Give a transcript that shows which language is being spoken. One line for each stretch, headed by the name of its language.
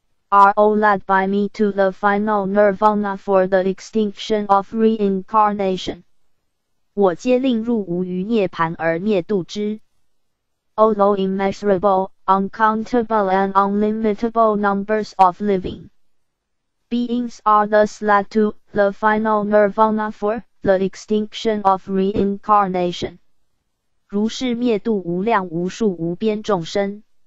English: Are all led by me to the final nirvana for the extinction of reincarnation.
Chinese: 我皆令入无余涅槃而灭度之。
English: Although immeasurable, uncountable and unlimitable numbers of living beings are thus led to the final nirvana for the extinction of reincarnation.
Chinese: 如是灭度无量无数无边众生。